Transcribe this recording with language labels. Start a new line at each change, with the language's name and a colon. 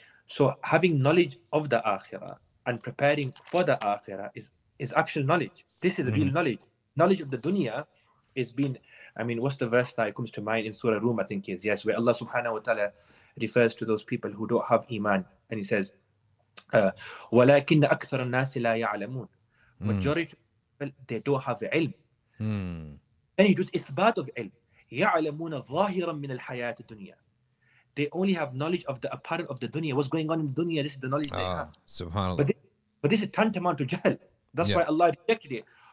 English: So having knowledge of the akhirah and preparing for the akhirah is actual knowledge. This is real knowledge. Knowledge of the dunya is being, I mean, what's the verse that comes to mind in Surah Rum, I think is, yes, where Allah subhanahu wa ta'ala refers to those people who don't have iman. And he says,
Arabic: وَلَكِنَّ أَكْثَرَ النَّاسِ لَا يَعْلَمُونَ.
English: Majority of people, they don't have ilm. And he does ithbat of ilm.
Arabic: يَعْلَمُونَ ظَاهِرًا مِنَ الْحَيَاةِ الدُّنْيَا.
English: They only have knowledge of the apparent of the dunya. What's going on in the dunya? This is the knowledge they have. SubhanAllah. But this is tantamount to jahl. That's why Allah rejected it.